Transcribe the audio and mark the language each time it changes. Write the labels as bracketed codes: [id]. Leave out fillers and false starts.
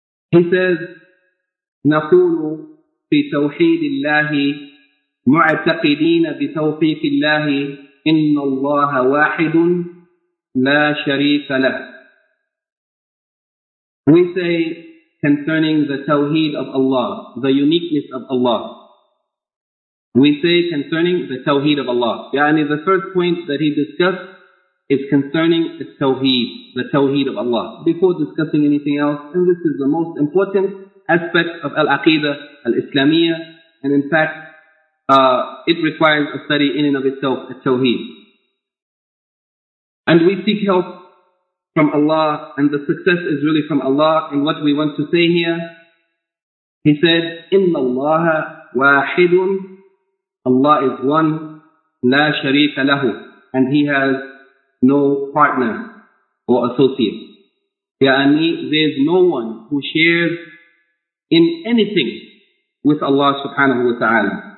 [en] He says, [ar] نَقُولُ فِي تَوْحِيدِ اللَّهِ مُعْتَقِدِينَ بِتَوْفِيقِ اللَّهِ إِنَّ اللَّهَ وَاحِدٌ لَا شَرِيكَ لَهُ. [en] We say concerning the Tawheed of Allah, the uniqueness of Allah. We say concerning the Tawheed of Allah. Yani the first point that he discussed is concerning the Tawheed of Allah. Before discussing anything else, and this is the most important aspect of Al-Aqeedah Al-Islamiyah, and in fact, it requires a study in and of itself, the Tawheed. And we seek help from Allah, and the success is really from Allah. And what we want to say here He said, [ar] إِنَّ اللَّهَ وَاحِدٌ. [en] Allah is one, [ar] لَا شَرِيكَ لَهُ. [en] And He has no partner or associate. يعني, there is no one who shares in anything with Allah subhanahu wa ta'ala.